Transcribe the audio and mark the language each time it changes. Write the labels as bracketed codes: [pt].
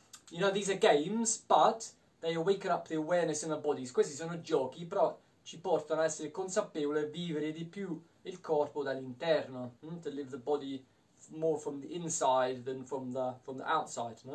[en] You know, these are games, but they awaken up the awareness in the bodies. [it] Questi sono giochi, però ci portano a essere consapevoli e vivere di più il corpo dall'interno. [en] To live the body more from the inside than from the outside.